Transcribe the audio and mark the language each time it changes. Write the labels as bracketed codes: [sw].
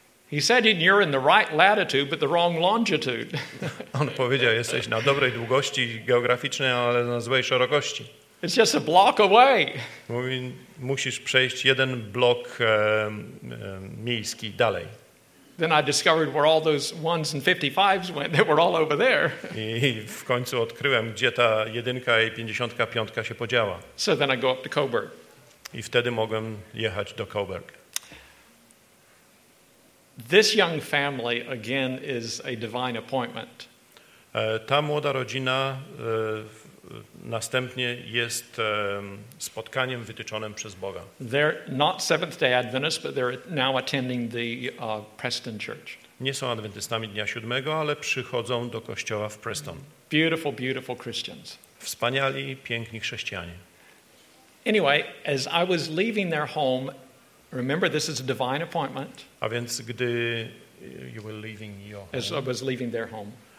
[en] He said, "You're in the right latitude, but the wrong longitude." [pl] On powiedział, jesteś na dobrej długości geograficznej, ale na złej szerokości. [en] It's just a block away. [pl] Mówi, musisz przejść jeden blok miejski dalej. [en] Then I discovered where all those ones and 55s went. They were all over there. [pl] I w końcu odkryłem, gdzie ta jedynka i 55 się podziała. [en] So then I go up to Coburg. [pl] I wtedy mogłem jechać do Coburg. [en] This young family again is a divine appointment. [pl] Ta młoda rodzina następnie jest spotkaniem wytyczonym przez Boga. [en] They're not Seventh-day Adventists, but they're now attending the Preston Church. [pl] Nie są adwentystami dnia siódmego, ale przychodzą do kościoła w Preston. [en] Beautiful, beautiful Christians. [pl] Wspaniali, piękni chrześcijanie. [en] Anyway, as I was leaving their home, remember this is a divine appointment. [pl] A więc gdy [en] you were leaving your home, as I was leaving their home,